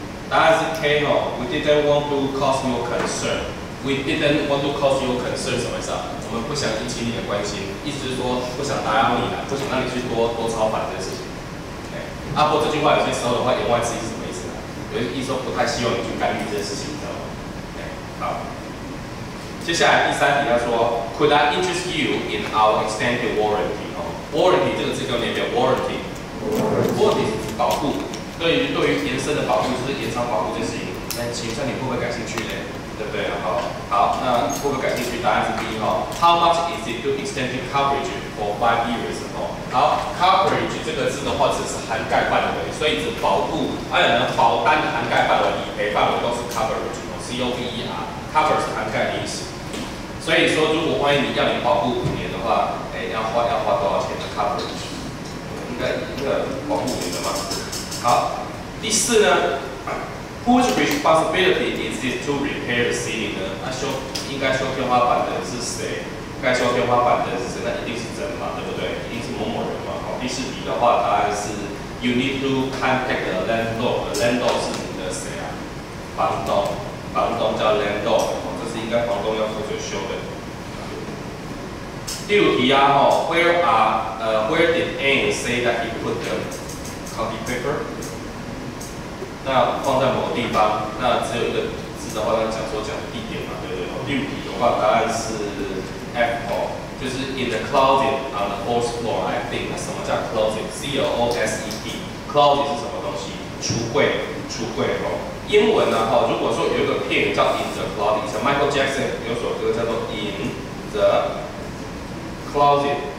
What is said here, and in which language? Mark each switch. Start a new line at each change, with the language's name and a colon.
Chinese: 答案是 K 哦
English: ，We didn't want to cause your concern. We didn't want to cause your concern
Chinese: 什么意思啊？我们不想引起你的关心，意思是说不想打扰你啦，不想让你去多操烦这个事情。 Okay. 啊，不过这句话有些时候的话言外之意是什么意思啊？有些意思说不太希望你去干预这件事情，你知道吗？
English: Okay.
Chinese: 好，接下来第三题要说
English: ，Could I interest you in our extended warranty？
Chinese: 哦 ，warranty 这个字叫什么 ？warranty 是保护。对于延伸的保护，就是延长保护这件事情，哎，请问你会不会感兴趣呢？对不对？好，那会不会感兴趣？答案是 B 哈。
English: How much is it to extend the coverage for 5 years？
Chinese: 哦，好 ，coverage 这个字的话只是涵盖范围，所以指保护，还有呢保单涵盖范围、理赔范围都是 coverage， cover covers 涵盖历史。所以说，如果万一你要你保护五年的话，哎，要花多少钱的 coverage？
English: 应该保护五年的嘛。
Chinese: 好，第四呢
English: ，whose responsibility is it to repair the ceiling 呢？
Chinese: 那修应该修天花板的是谁？该修天花板的是谁？那一定是人嘛，对不对？一定是某某人嘛。好，第四题的话，答案是
English: you need to contact the landlord。
Chinese: landlord 是你的谁啊？房东，房东叫 landlord。应该房东要负责修的。第五题啊，吼
English: ，Where did Anne say that he put the coffee paper？
Chinese: 那放在某个地方，那只有一个字的话，那讲说讲地点嘛，对不对？第五题的话，答案是 F 哦，就是
English: in the closet on the fourth floor， I think。
Chinese: 什么叫 closet？C L O S E T， closet 是什么东西？橱柜哦。英文呢、啊？如果说有一个片叫 In the Closet， 像 Michael Jackson 有首歌叫做 In the Closet。